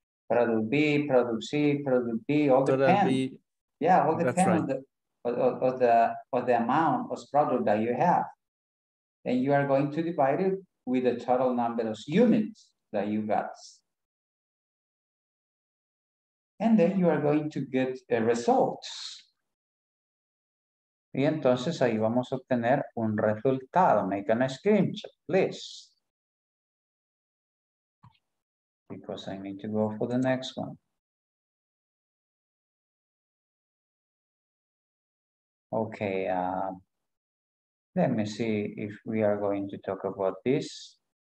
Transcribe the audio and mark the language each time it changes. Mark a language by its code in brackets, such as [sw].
[en] product B, product C, product D, all depend on the amount of product that you have. And you are going to divide it with the total number of units that you got. And then you are going to get a result. [es] Y entonces ahí vamos a obtener un resultado. [en] Make a screenshot, please. Because I need to go for the next one. Okay. Let me see if we are going to talk about this.